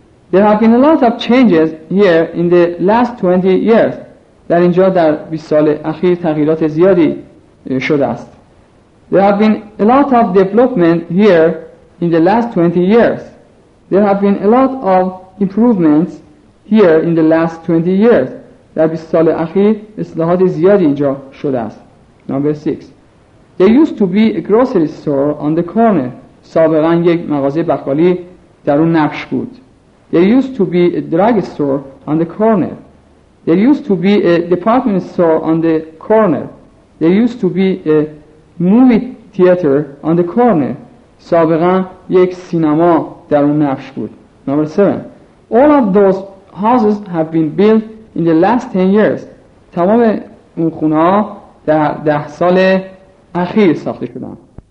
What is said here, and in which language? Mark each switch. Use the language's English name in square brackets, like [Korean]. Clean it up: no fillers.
[English] There have been a lot of changes here in the last 20 years. [Persian] در اینجا در 20 سال اخیر تغییرات زیادی شده است. [English] There have been a lot of development here in the last 20 years. There have been a lot of improvements here in the last 20 years. [Persian] در 20 سال اخیر اصلاحات زیادی اینجا شده است. [English] Number 6. There used to be a grocery store on the corner. [Persian] سابقا یک مغازه بقالی در اون نقش بود. [English] There used to be a drug store on the corner. There used to be a department store on the corner. There used to be a movie theater on the corner. [Persian] سابقا یک سینما در اون نقش بود. [English] Number 7. All of those houses have been built in the last 10 years. [Persian] تمام اون خونه‌ها در 10 سال اخیر ساخته شدند.